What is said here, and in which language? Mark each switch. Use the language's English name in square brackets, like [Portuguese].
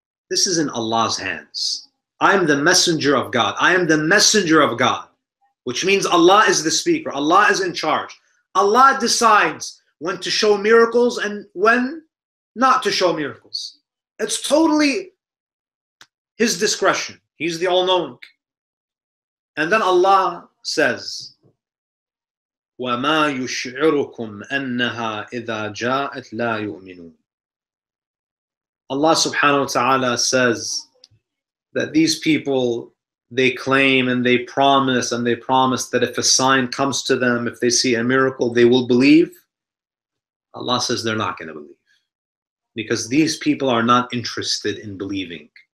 [English] This is in Allah's hands. I am the messenger of God. I am the messenger of God, which means Allah is the speaker. Allah is in charge. Allah decides when to show miracles and when not to show miracles. It's totally His discretion. He's the all-knowing. And then Allah says, [Arabic] وَمَا يُشْعِرُكُمْ أَنَّهَا إِذَا جَاءَتْ لَا يُؤْمِنُونَ. [English] Allah subhanahu wa ta'ala says that these people, they claim and they promise and they promise that if a sign comes to them, if they see a miracle, they will believe. Allah says they're not going to believe because these people are not interested in believing.